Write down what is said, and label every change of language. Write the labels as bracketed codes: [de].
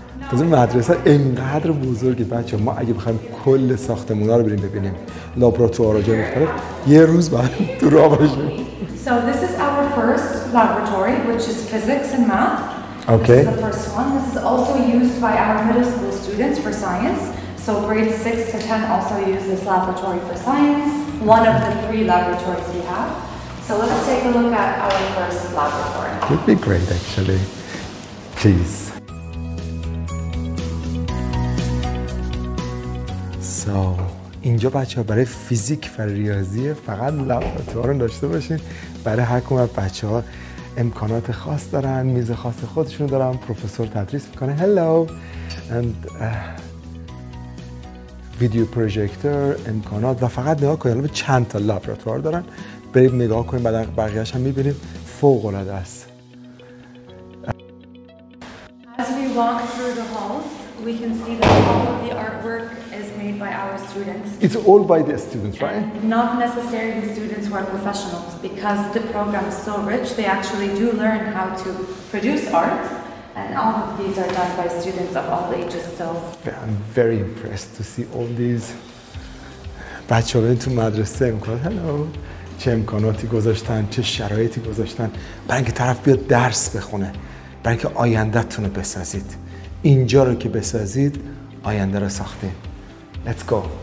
[fa] تازه مدرسه اینقدر بزرگه بچه‌ها، ما اگه بخوایم کل ساختمونا رو بریم ببینیم، لابراتوارها جای مختلف، یه روز بعد تو راه باشیم. [en] So this is our first laboratory, which is physics and math. Okay. This is the first one. This is also used by our middle school students for science. So grades 6 to 10 also use this laboratory for science, one of the three laboratories we have. So let's take a look at our first laboratory. It'd be great, actually. Jeez. So... [fa] اینجا بچه ها برای فیزیک و ریاضیه، فقط لابراتوار داشته باشین. برای هر کدوم از بچه ها امکانات خاص دارن، میز خاص خودشون دارن، پروفسور تدریس میکنه. [en] Hello! And [fa] ویدیو پروژکتور، امکانات، و فقط نگاه کنید به چند تا لابراتوار دارن. برید نگاه کنید، بعد بقیهش هم میبینید. فوق العاده است. [en] As we walk through the halls, we can see that all of the artwork is made by our students. It's all by the students, right? Not necessarily students who are professionals, because the program is so rich, they actually do learn how to produce art, and all of these are done by students of all ages, so... I'm very impressed to see all these... [fa] بچه ها تو مدرسه میکنند. [en] Hello! [fa] چه امکاناتی گذاشتن، چه شرایطی گذاشتن، برای اینکه طرف بیاد درس بخونه، برای اینکه آیندهتون رو بسازید. اینجا رو که بسازید آینده رو ساخته. [en] Let's go.